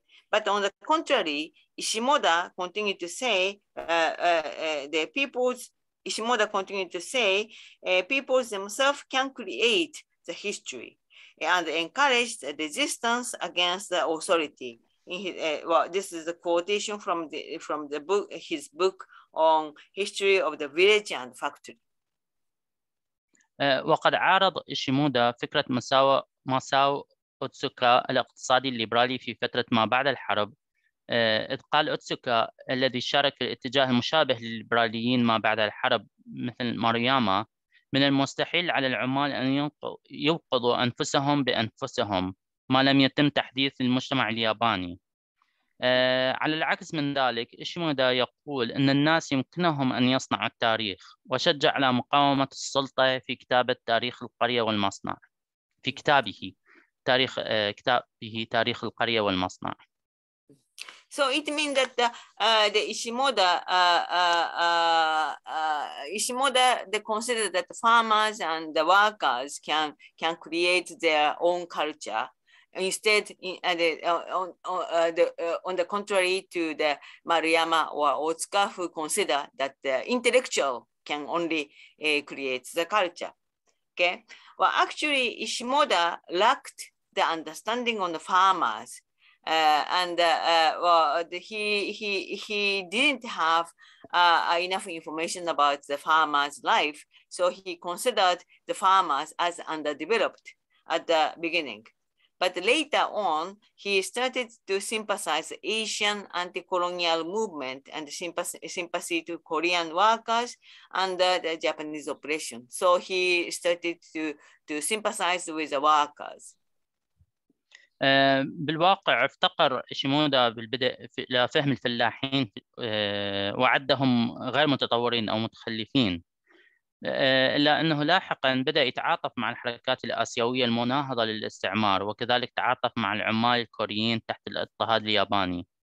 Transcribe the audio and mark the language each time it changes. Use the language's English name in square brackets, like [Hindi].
[English] But on the contrary, Ishimoda continued to say people themselves can create the history and encourage the resistance against the authority. This is a quotation from the book, his book on history of the village and factory. [Arabic] وقد عارض إشيمودا فكرة مساو أوتسوكا الاقتصادي الليبرالي في فترة ما بعد الحرب. إذ قال أوتسوكا الذي شارك الاتجاه المشابه للليبراليين ما بعد الحرب مثل مارياما من المستحيل على العمال أن يوقظوا أنفسهم بأنفسهم ما لم يتم تحديث المجتمع الياباني على العكس من ذلك إشيمودا يقول أن الناس يمكنهم أن يصنعوا التاريخ وشجع على مقاومة السلطة في كتابة تاريخ القرية والمصنع في كتابه تاريخ كتابه تاريخ القرية والمصنع. [English] So it means that Ishimoda consider that the farmers and the workers can create their own culture instead on the contrary to the Maruyama or Otsuka, who consider that the intellectual can only create the culture. Okay. Well, actually, Ishimoda lacked the understanding on the farmers. He didn't have enough information about the farmer's life, so he considered the farmers as underdeveloped at the beginning. But later on, he started to sympathize Asian anti-colonial movement and sympathy to Korean workers under the Japanese oppression. So he started to sympathize with the workers. [Arabic] بالواقع افتقر شيمودا بالبدء إلى فهم الفلاحين وعدهم غير متطورين أو متخلفين إلا أنه لاحقا بدأ يتعاطف مع الحركات الآسيوية المناهضة للاستعمار وكذلك تعاطف مع العمال الكوريين تحت الاضطهاد الياباني.